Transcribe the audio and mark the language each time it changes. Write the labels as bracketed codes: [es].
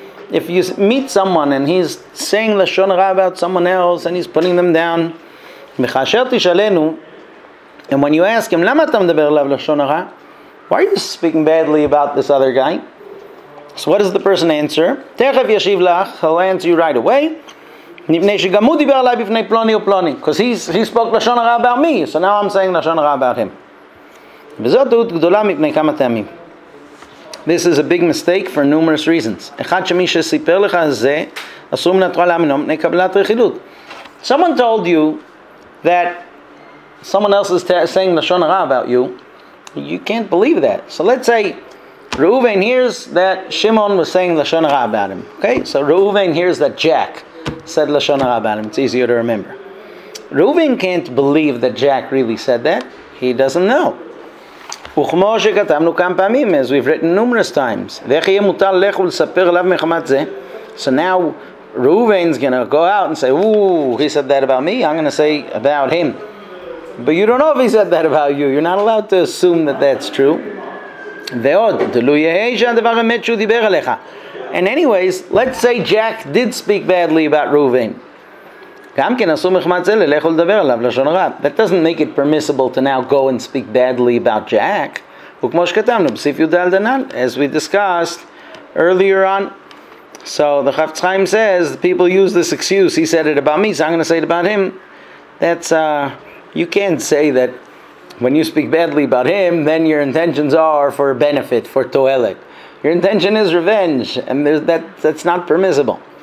[en] If you meet someone and he's saying lashon hara about someone else and he's putting them down, [he] v'chasher tishalenu, [en] and when you ask him, [he] lama ata mdaber alav lashon hara, [en] why are you speaking badly about this other guy? So what does the person answer? [he] Techev yashiv lach, [en] he'll answer you right away. [he] Nivnei shegamu diber alav bifnei ploni uploni, [en] because he spoke lashon hara about me, so now I'm saying lashon hara about him. [he] וזאת טעות גדולה מפני כמה טעמים. [en] This is a big mistake for numerous reasons. [he] אחד שמי שסיפר לך זה, אסור מן התורה להאמינו מפני קבלת רכילות. [en] Someone told you that someone else is saying לשון הרע about you, you can't believe that. So let's say, Reuven hears that Shimon was saying לשון הרע about him. Okay? So Reuven hears that Jack said לשון הרע about him. It's easier to remember. Reuven can't believe that Jack really said that. He doesn't know. [he] וכמו שכתבנו כמה פעמים, [en] as we've written numerous times, [he] ואיך יהיה מותר לך ולספר עליו מחמת זה? [en] So now, Reuven's gonna go out and say, ooh, he said that about me, I'm gonna say about him. But you don't know if he said that about you, you're not allowed to assume that that's true. [he] ועוד, דלו יהיה שהדבר האמת שהוא דיבר עליך. [en] And anyways, let's say Jack did speak badly about Reuven. [he] גם כן עשו מחמד זה ללכו לדבר עליו לשון הרע. [en] That doesn't make it permissible to now go and speak badly about Jack. [he] וכמו שכתבנו, בסיף יהודה על דנל, [en] as we discussed earlier on. So the Chafetz Chaim says, people use this excuse, he said it about me, so I'm going to say it about him. That's, you can't say that when you speak badly about him, then your intentions are for benefit, for toelet. Your intention is revenge, and that's not permissible.